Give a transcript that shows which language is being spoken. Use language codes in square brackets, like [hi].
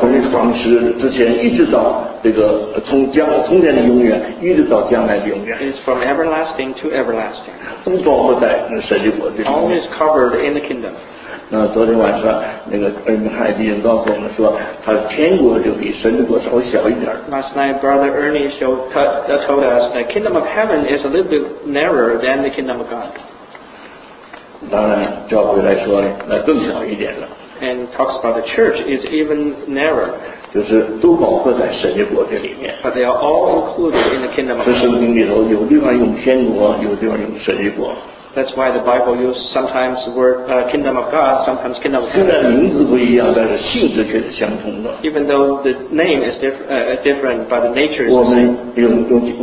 [zh] 从创始之前一直到这个从前的永远一直到将来的永远。 [en] It's from everlasting to everlasting. [zh] 都包括在那神的国之中。 [en] All is covered in the kingdom. [zh] 那昨天晚上那个恩海弟兄告诉我们说，他天国就比神的国稍微小一点。 [en] Last night, Brother Ernie told us that kingdom of heaven is a little bit narrower than the kingdom of God. [zh] 当然，教会来说呢，那更小一点了。 [en] And talks about the church is even narrower. [zh] 就是都包括在神的国这里面。 [en] But they are all included in the kingdom of God. [zh] 这圣经里头有地方用天国，有地方用神的国。 [en] That's why the Bible uses sometimes word kingdom of God, sometimes kingdom of heaven. [zh] 虽然名字不一样，但是性质却是相同的。 [en] Even though the name is different, but the nature is the same.